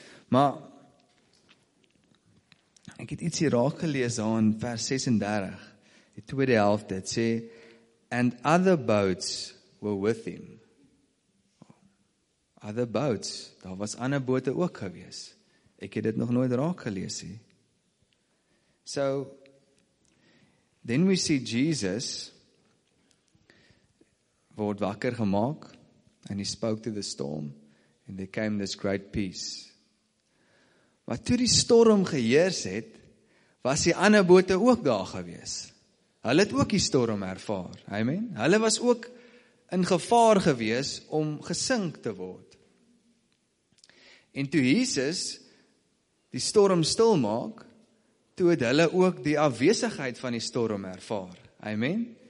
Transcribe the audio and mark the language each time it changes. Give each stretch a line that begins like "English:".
Afrikaans: Maar, ek het iets hier raak gelees daar in vers 36, die tweede helfte, het sê,
English: and other boats were with him. Other boats,
Afrikaans: daar was ander bote ook gewees. Ek het dit nog nooit raak gelees nie.
English: So, then we see Jesus
Afrikaans: word wakker gemaak,
English: and he spoke to the storm, and there came this great peace.
Afrikaans: Maar toe die storm geheers het, was die ander bote ook daar gewees. Hulle het ook die storm ervaar. Amen. Hulle was ook in gevaar gewees om gesink te word. En toe Jesus die storm stil maak, toe het hulle ook die afwesigheid van die storm ervaar. Amen.